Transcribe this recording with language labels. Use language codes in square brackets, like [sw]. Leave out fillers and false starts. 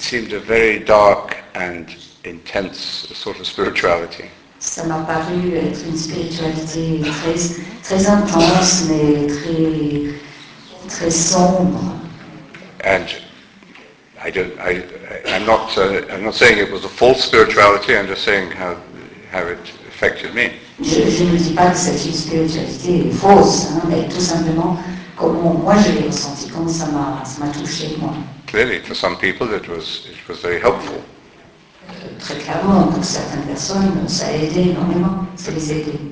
[en] seemed a very dark and intense sort of spirituality. [fr] Ça m'a paru être une spiritualité très, très intense, mais très, très sombre. [en] And I'm not saying it was a false spirituality. I'm just saying how it affected me. [fr] Je ne dis pas que c'est une spiritualité fausse, hein, mais tout simplement. Comment moi je l'ai ressenti, comment ça m'a touché moi. [en] Clearly, for some people, it was very helpful. [fr] Très clairement, pour certaines personnes, ça a aidé énormément, ça les a aidés.